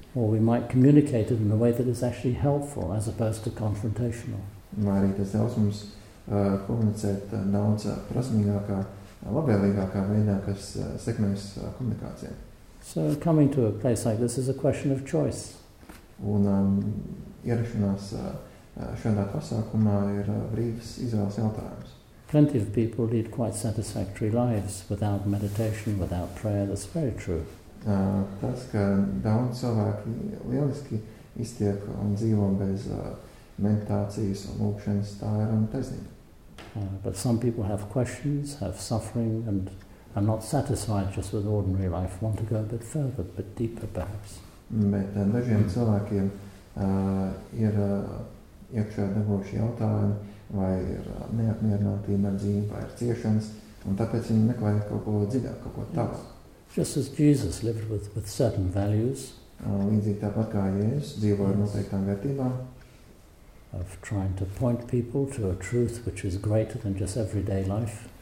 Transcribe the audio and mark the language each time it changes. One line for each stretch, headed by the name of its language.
English: Or we might communicate it in a way that is actually helpful as opposed to confrontational.
Latvian: Arī tas ļaus mums komunicēt daudz prasmīgākā, labvēlīgākā veidā, kas sekmēs komunikācijai.
English: So coming to a place like this is a question of choice.
Latvian: Un ierašanās šādā pasākumā ir brīvs izvēles jautājums.
English: Plenty of people lead quite satisfactory lives without meditation, without prayer, that's very true.
Latvian: Tas, ka daudz cilvēki lieliski iztiek un dzīvo bez meditācijas un lūkšanas, tā ir un taisnība.
English: But some people have questions, have suffering and are not satisfied just with ordinary life, want to go a bit further, a bit deeper perhaps.
Latvian: Bet dažiem cilvēkiem ir iekšā degoši jautājumi, vai ir neapmierinātība ar dzīvi, vai ir ciešanas, un tāpēc viņi meklē kaut ko dziļāk, kaut ko tālāk.
English: Yes. Just as Jesus lived with certain values.
Latvian: Līdzīgi tāpat kā Jēzus dzīvo ar noteiktām vērtībām.
English: Of trying to point people to a truth which is greater than just everyday life.